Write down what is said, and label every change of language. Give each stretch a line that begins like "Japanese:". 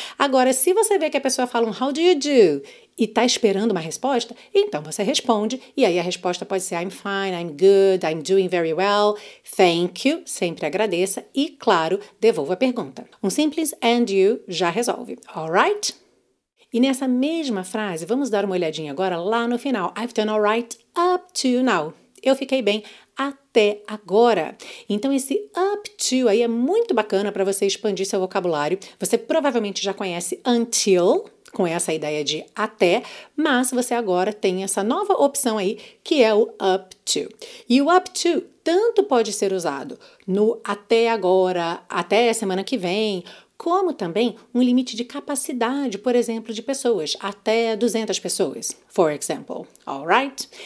Portuguese: Agora, se você vê que a pessoa fala um how do you do e tá esperando uma resposta, então você responde e aí a resposta pode ser
English: I'm fine, I'm good, I'm doing very well, thank you,
Portuguese: sempre agradeça e, claro, devolva a pergunta. Um simples
English: and you
Portuguese: já resolve, alright? E nessa mesma frase, vamos dar uma olhadinha agora lá no final.
English: I've done all right up to now.
Portuguese: Eu fiquei bem até agora. Então, esse up to aí é muito bacana para você expandir seu vocabulário. Você provavelmente já conhece until, com essa ideia de até, mas você agora tem essa nova opção aí, que é o up to. E o up to tanto pode ser usado no até agora, até semana que vem, como também um limite de capacidade, por exemplo, de pessoas, até 200 pessoas,
English: for example. All right?